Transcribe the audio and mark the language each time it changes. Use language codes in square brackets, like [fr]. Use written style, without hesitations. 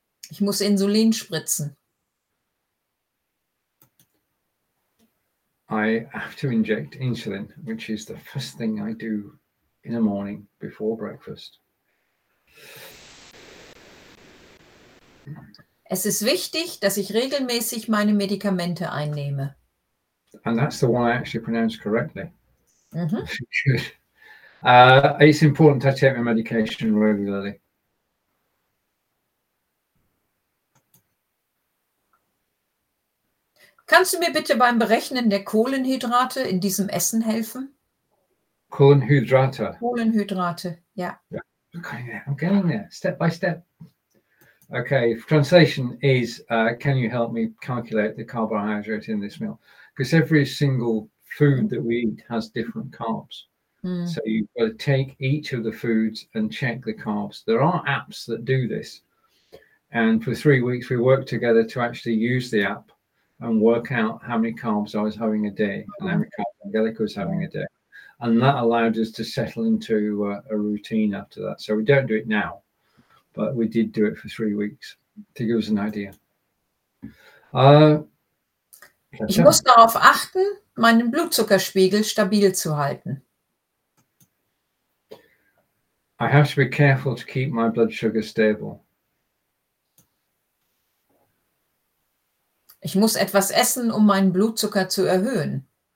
[de] Ich muss Insulin spritzen. [en] I have to inject insulin, which is the first thing I do in the morning before breakfast. [de] Es ist wichtig, dass ich regelmäßig meine Medikamente einnehme. [en] And that's the one I actually pronounced correctly. Mm-hmm. Good. It's important to take my medication regularly. [de] Kannst du mir bitte beim Berechnen der Kohlenhydrate in diesem Essen helfen? Kohlenhydrate. Kohlenhydrate, ja. [en] Yeah. I'm getting there, step by step. Okay, translation is, can you help me calculate the carbohydrate in this meal? Because every single food that we eat has different carbs. Mm. So you've got to take each of the foods and check the carbs. There are apps that do this. And for 3 weeks, we worked together to actually use the app and work out how many carbs I was having a day and how many carbs Angelica was having a day. And that allowed us to settle into a routine after that. So we don't do it now, but we did do it for 3 weeks to give us an idea. [de] Ich muss darauf achten, meinen Blutzuckerspiegel stabil zu halten. [en] I have to be careful to keep my blood sugar stable. [de] Ich muss etwas essen, um meinen Blutzucker zu erhöhen.